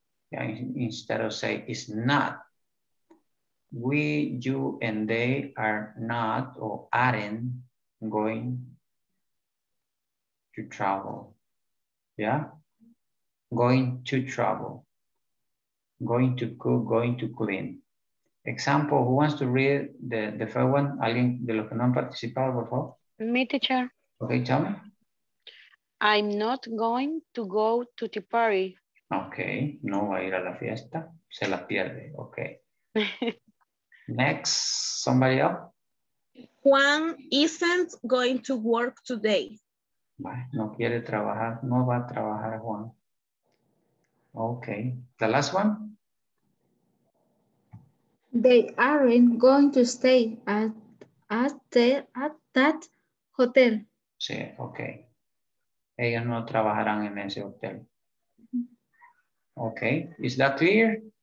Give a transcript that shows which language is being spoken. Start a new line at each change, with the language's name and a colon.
English: Yeah, instead of say is not. We, you, and they are not or aren't going to travel. Yeah? Going to travel. Going to cook, going to clean. Example, who wants to read the first one?
Spanish: Alguien de los que no han participado, por favor.
English: Me, teacher. Okay, tell me. I'm not going to go to the party.
Spanish: Okay, no va a ir a la fiesta. Se la pierde, okay.
English: Next, somebody else. Juan isn't going to work today.
Spanish: No quiere trabajar, no va a trabajar Juan.
English: Okay, the last one. They aren't going to stay at that hotel.
Spanish: Sí, okay. Ellos no trabajarán en ese hotel.
English: Okay, is that clear?